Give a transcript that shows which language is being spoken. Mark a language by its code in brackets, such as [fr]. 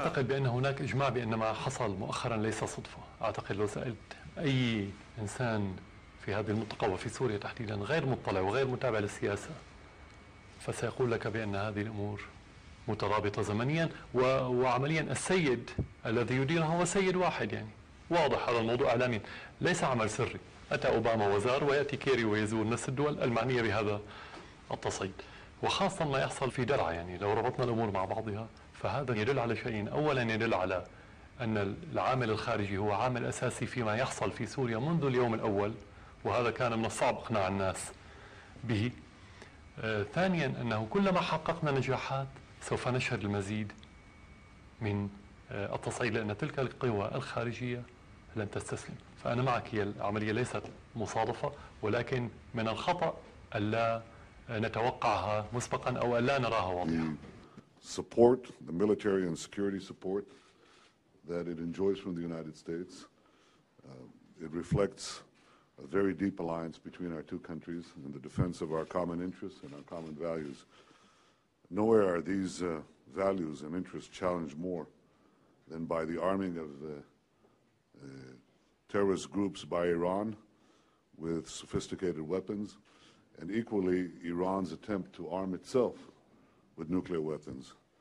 [en] I think there is an agreement that what happened recently is not a coincidence. I think if you asked any person in this region, especially in Syria, who is not informed and not following politics, he will tell you that these things [ar] مترابطة زمنيا وعمليا. السيد الذي يديرها هو سيد واحد، يعني واضح هذا الموضوع إعلاميا، ليس عمل سري. أتى أوباما وزار ويأتي كيري ويزور نفس الدول المعنية بهذا التصعيد، وخاصة ما يحصل في درعا. يعني لو ربطنا الأمور مع بعضها فهذا يدل على شيئين: أولا يدل على أن العامل الخارجي هو عامل أساسي فيما يحصل في سوريا منذ اليوم الأول، وهذا كان من الصعب إقناع الناس به. ثانيا أنه كلما حققنا نجاحات سوف نشهد المزيد من التصعيد، لأن تلك القوى الخارجية لن تستسلم. فأنا معك، هي العملية ليست مصادفة، ولكن من الخطأ ألا نتوقعها مسبقا أو ألا نراها واضحة. [en] Support the military and security support that it enjoys from the United States. It reflects a very deep alliance between our two countries in the defense of our common interests and our common values. Nowhere are these values and interests challenged more than by the arming of terrorist groups by Iran with sophisticated weapons, and equally Iran's attempt to arm itself with nuclear weapons.